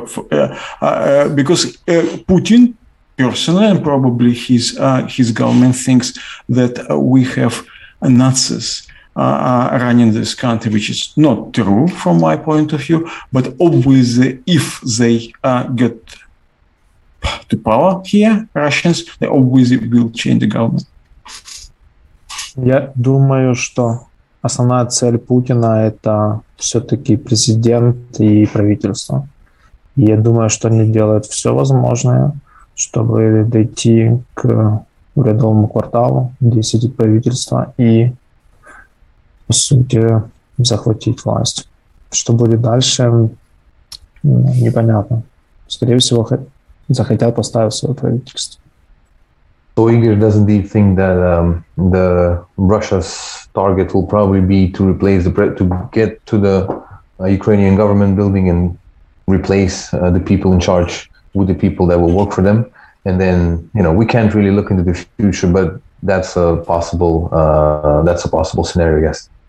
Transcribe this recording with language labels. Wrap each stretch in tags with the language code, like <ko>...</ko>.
<en>Because Putin personally, and probably his government thinks that we have Nazis running this country, which is not true from my point of view. But obviously, if they get to power here, Russians, they obviously will change the government.</en> <ru>Я думаю, что основная цель Путина – это все-таки президент и правительство. Я думаю, что они делают все возможное, чтобы дойти к рядовому кварталу, где сидит правительство, и по сути захватить власть. Что будет дальше, непонятно. Скорее всего, захотят поставить свое правительство.</ru> <en>So, Игорь, doesn't he think that the Russia's target will probably be to replace to get to the Ukrainian government building and replace the people in charge with the people that will work for them? And then, you know, we can't really look into the future, but that's a possible scenario, I guess.</en>